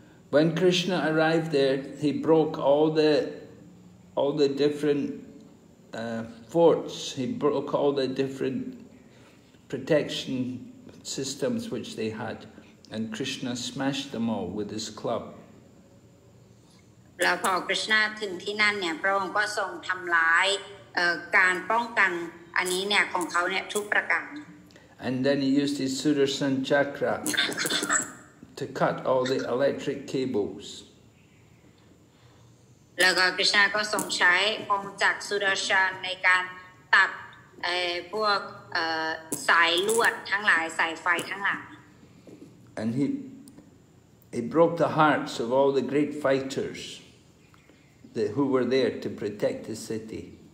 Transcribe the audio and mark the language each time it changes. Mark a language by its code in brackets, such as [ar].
[en] When Krishna arrived there, he broke all the different forts. He broke all the different protection systems which they had, and Krishna smashed them all with his club. [th] แล้วพอ Krishna ถึงที่นั่นเนี่ยพระองค์ก็ทรงทำลายการป้องกันอันนี้เนี่ยของเขาเนี่ยทุกประการ. [en] And then he used his Sudarshan Chakra to cut all the electric cables. [th] แล้วก็ Krishna ก็ทรงใช้องค์จักรสุดาชาญในการตัดพวกสายลวดทั้งหลายสายไฟทั้งหลาย. [en] And he broke the hearts of all the great fighters who were there to protect the city.